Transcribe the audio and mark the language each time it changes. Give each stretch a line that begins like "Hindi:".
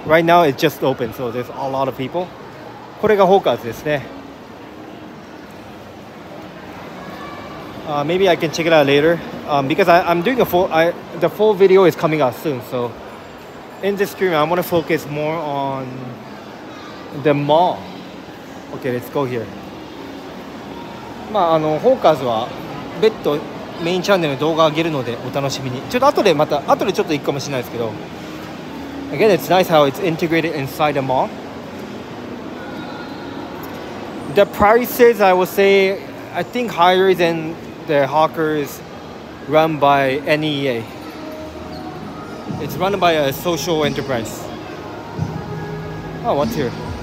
English: Right now, it's just open, so there's a lot of people.
Japanese: これが Hawkers ですね。
English: Maybe I can check it out later. Because I'm doing a full... the full video is coming out soon, so... In this stream, I want to focus more on... the mall. Okay, let's go here.
Japanese: まあ、あの、Hawkers は別途メインチャンネルの動画を上げるのでお楽しみに。ちょっと後でまた、後でちょっと行くかもしれないですけど。
English: Again, it's nice how it's integrated inside the mall. The prices, I would say, I think higher than the hawkers run by NEA. It's run by a social enterprise. Oh, what's here?